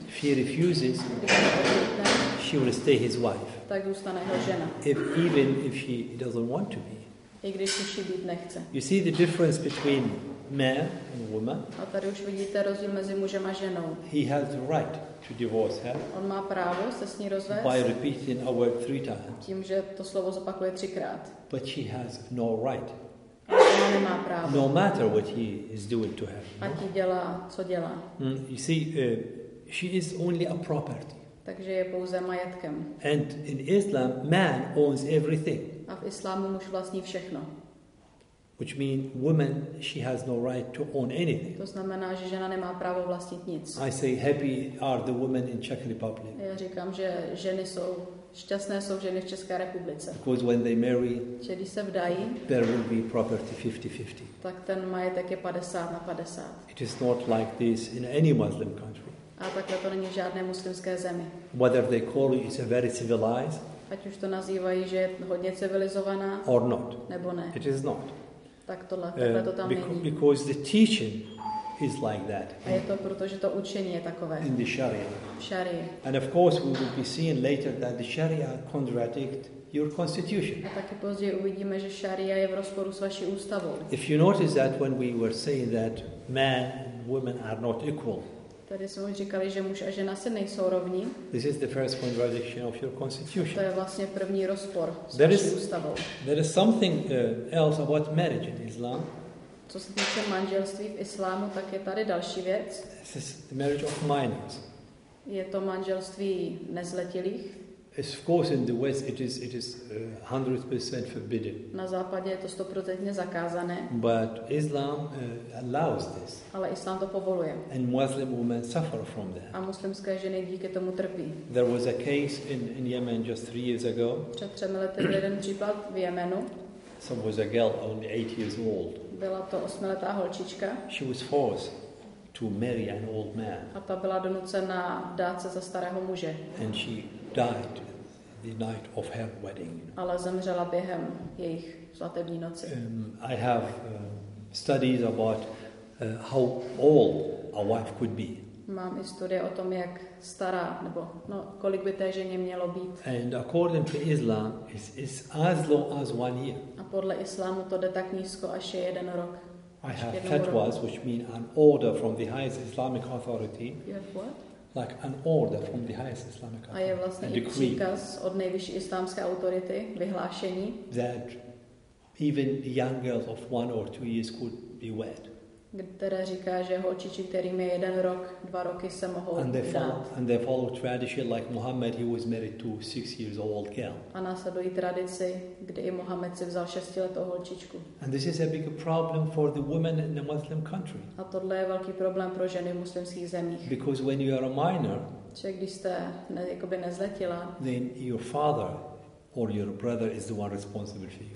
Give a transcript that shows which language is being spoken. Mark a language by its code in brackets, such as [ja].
[en] If he refuses, she will stay his wife. [cs] Tak zůstane jeho žena. [en] If even if she doesn't want to be. [cs] I když si být nechce. [en] You see the difference between man and woman. [cs] A tady už vidíte rozdíl mezi mužem a ženou. [en] He has the right to divorce her. [cs] On má právo se s ní rozvést. [en] By repeating a word three times. [cs] Tím, že to slovo zopakuje třikrát. [en] But she has no right. [cs] A ona nemá právo. [en] No matter what he is doing to her. [cs] Ať jí dělá, co dělá. [en] You see, she is only a property. [cs] Takže je pouze majetkem. [en] And in Islam, man owns everything. [cs] A v islámu muž vlastní všechno. [en] Which means woman, she has no right to own anything. [cs] To znamená, že žena nemá právo vlastnit nic. [en] I say happy are the women in Czech Republic. [cs] Já říkám, že ženy jsou šťastné, jsou ženy v České republice. [en] Because when they marry, [cs] že když se vdají, [en] there will be property 50-50. [cs] Tak ten majetek je 50-50. [en] It is not like this in any Muslim country. [cs] A takhle to není v žádné muslimské zemi. [en] Whether they call it, it's a very civilized. [cs] Ať už to nazývají, že je hodně civilizovaná. [en] Or not. [cs] Nebo ne. [en] It is not. [cs] Tak tohle, takhle to tam není. [en] Because the teaching is like that. [cs] A je to proto, že to učení je takové. [en] In the Sharia. [cs] V Sharia. [en] And of course we will be seeing later that the Sharia contradict your constitution. [cs] A taky později uvidíme, že Sharia je v rozporu s vaší ústavou. [en] If you notice that when we were saying that man and women are not equal. [cs] Tady jsme už říkali, že muž a žena se nejsou rovní. [en] This is the first contradiction of your constitution. [cs] To je vlastně první rozpor s vaší ústavou. [en] There is something else about marriage in Islam. [cs] Co se týče manželství v islámu, tak je tady další věc. [en] This is the marriage of minors. [cs] Je to manželství nezletilých. [en] It's of course in the West it is 100% forbidden. [cs] Na západě je to 100% zakázané. [en] But Islam allows this. [cs] Ale Islám to povoluje. [en] And Muslim women suffer from that. [cs] A muslimské ženy díky tomu trpí. [en] There was a case in Yemen just 3 years ago. [cs] Před 3 lety byl jeden případ v Jemenu. [en] So was a girl only 8 years old. [cs] Byla to 8letá holčička. [en] She was forced to marry an old man. [cs] A ta byla donucena dát se za starého muže. [en] And she died the night of her wedding. [cs] Ale zemřela během jejich svatební noci. [en] I have studies about how old a wife could be. [cs] Mám i studie o tom, jak stará nebo kolik by té ženě mělo být. [en] And according to Islam, it's as low as 1 year. [cs] A podle islámu to jde tak nízko, až je jeden rok. [en] I have fatwas, which mean an order from the highest Islamic authority. You have what? Like an order from the highest Islamic authority. [cs] A je vlastně [en] a decree, [cs] příkaz od nejvyšší islámské autority, vyhlášení. [en] That even young girls of 1 or 2 years could be wed. [cs] Která říká, že holčiči, kterým je jeden rok, dva roky se mohou dát. [en] And they follow tradition like Muhammad, he was married to 6 years old girl. [cs] A následují tradici, kdy i Muhammad si vzal 6letou holčičku. [en] And this is a big problem for the women in a Muslim country. [cs] A tohle je velký problém pro ženy v muslimských zemích. [en] Because when you are a minor, [cs] že když jste jakoby nezletila, [en] then your father or your brother is the one responsible for you.